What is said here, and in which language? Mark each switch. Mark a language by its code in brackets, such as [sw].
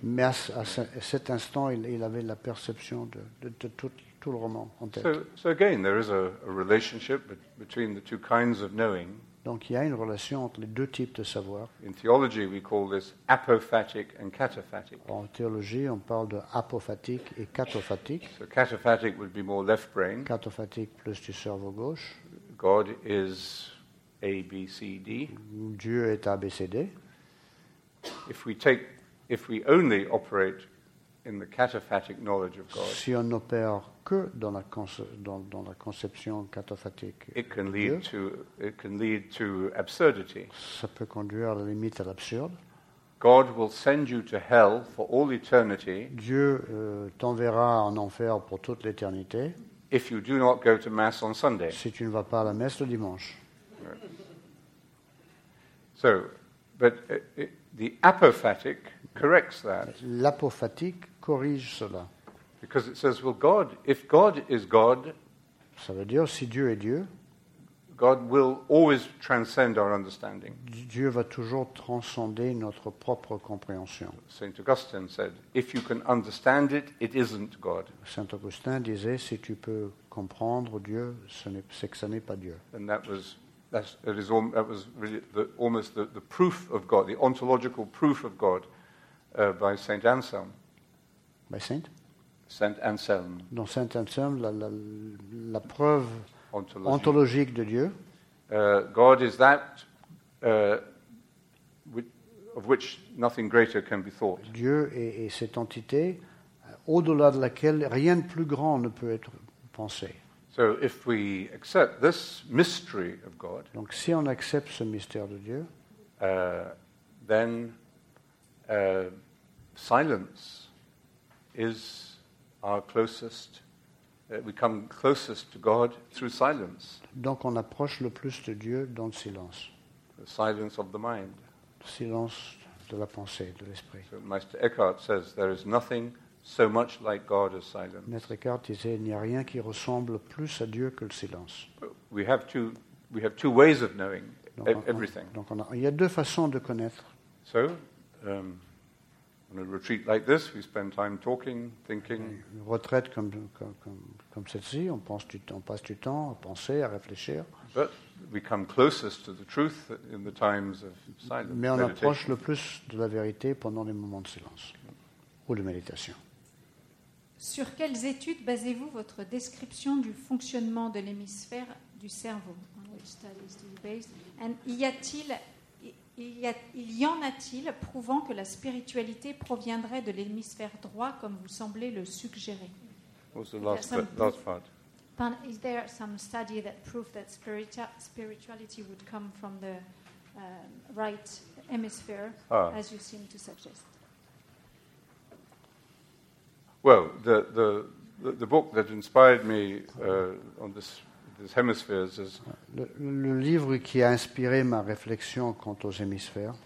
[fr] Mais à cet instant, il avait la perception de tout le roman en tête. [en] So again, there is a relationship between the two kinds of knowing. [fr] Donc il y a une relation entre les deux types de savoir. [en] In theology, we call this apophatic and cataphatic. [fr] En théologie, on parle de apophatique et cataphatique. [en] So cataphatic would be more left brain. [fr] Cataphatique plus du cerveau gauche. [en] God is A B C D. [fr] Dieu est A B C D. [en] If we only operate in the cataphatic knowledge of God. [fr] Si on opère que dans la conception cataphatique. [en] It can lead to absurdity. [fr] Ça peut conduire à la limite à l'absurde. [en] God will send you to hell for all eternity. [fr] Dieu t'enverra en enfer pour toute l'éternité. [en] If you do not go to mass on Sunday. [fr] Si tu ne vas pas à la messe le dimanche. [en] Right. So, but the apophatic corrects that. [fr] L'apophatique corrige cela. [en] Because it says, well, God, if God is God, [fr] ça veut dire si Dieu est Dieu, [en] God will always transcend our understanding. [fr] Dieu va toujours transcender notre propre compréhension. [en] Saint Augustine said, if you can understand it, it isn't God. [fr] Saint Augustin disait, si tu peux comprendre Dieu, c'est que ça n'est pas Dieu. [en] And that was really almost the proof of God, the ontological proof of God, by Saint Anselm. By Saint. Saint Anselm. [fr] Dans Saint Anselm, la preuve ontologique de Dieu. [en] God is that of which nothing greater can be thought. [fr] Dieu est cette entité au-delà de laquelle rien de plus grand ne peut être pensé. [en] So if we accept this mystery of God. [fr] Donc si on accepte ce mystère de Dieu, [en] then silence is our closest, we come closest to God through silence. [fr] Donc on approche le plus de Dieu dans le silence. [en] The silence of the mind. [fr] Le silence de la pensée, de l'esprit. [en] So Meister Eckhart says, there is nothing so much like God as silence. [fr] Maître Eckhart disait, il n'y a rien qui ressemble plus à Dieu que le silence. [en] We have two ways of knowing everything. [fr] Donc il y a deux façons de connaître. [en] So, on a retreat like this, we spend time talking, thinking. [fr] Une retraite comme celle-ci, on passe du temps à penser, à réfléchir. [en] But we come closest to the truth in the times of silence. [fr] Mais on approche le plus de la vérité pendant les moments de silence ou de méditation. Sur quelles études basez-vous votre description du fonctionnement de l'hémisphère du cerveau? [en] On which studies do you base? [fr] And y a-t-il Il y en a-t-il prouvant que la spiritualité proviendrait de l'hémisphère droit, comme vous semblez le suggérer? [en] What's the last part? But is there some study that proves that spirituality would come from the right hemisphere, as you seem to suggest? Well, the book that inspired me on this hemispheres is [fr] le livre qui a inspiré ma réflexion quant aux hémisphères.